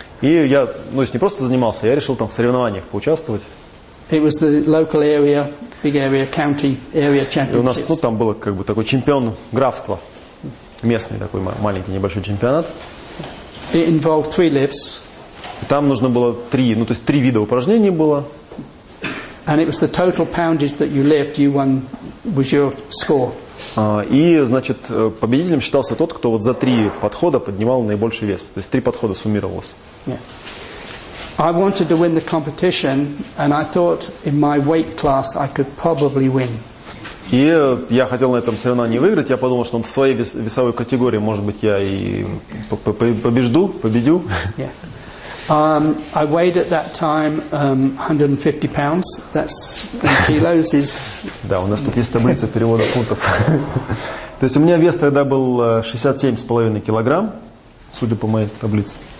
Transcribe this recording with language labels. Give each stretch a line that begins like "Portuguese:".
Russian: И я, ну, то есть не просто занимался, я решил там в соревнованиях поучаствовать.
English: It was the local area, big area, county area championships.
Russian: И у нас, ну, там было как бы такой чемпион графства, местный такой маленький небольшой чемпионат.
English: It involved three lifts.
Russian: И там нужно было три, ну, то есть три вида упражнений было.
English: And it was the total poundage that you lift, you won, was your score.
Russian: И, значит, победителем считался тот, кто вот за три подхода поднимал наибольший вес. То есть три подхода суммировалось. Yeah.
English: I wanted to win the competition, and I thought in my weight class I could probably win.
Russian: И я хотел на этом соревновании выиграть. Я подумал, что в своей весовой категории, может быть, я и победю.
English: Yeah. I weighed at that time 150 pounds. That's kilos is.
Russian: Да, у нас тут есть таблица перевода фунтов. То есть у меня вес тогда был 67,5 килограмм, судя по моей таблице.